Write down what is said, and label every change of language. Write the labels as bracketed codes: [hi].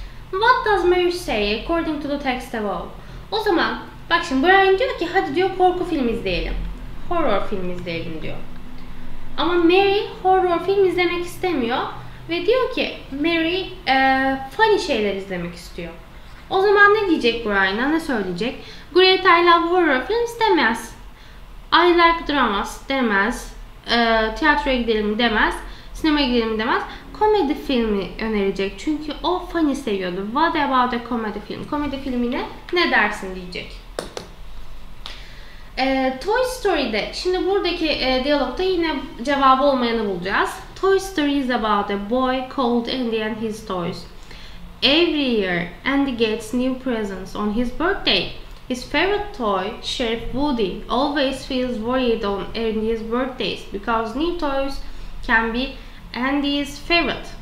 [en] What does Mary say according to the text above? [tr] O zaman bak şimdi Brian diyor ki hadi diyor korku film izleyelim. Horror film izleyelim diyor. Ama Mary horror film izlemek istemiyor ve diyor ki Mary funny şeyler izlemek istiyor. O zaman ne diyecek Brian'a, ne söyleyecek? [en] Great I love horror films [tr] demez. [en] I like dramas [tr] demez. Tiyatroya gidelim demez. Sinemaya gidelim demez. Komedi filmi önerecek. Çünkü o Fanny seviyordu. [en] What about a comedy film? [tr] Komedi filmine ne dersin diyecek. Toy Story'de, şimdi buradaki diyalogda yine cevabı olmayanı bulacağız. [en] Toy Story is about a boy called Andy and his toys. Every year, Andy gets new presents on his birthday. His favorite toy, Sheriff Woody, always feels worried on Andy's birthdays because new toys can be Andy's favorite.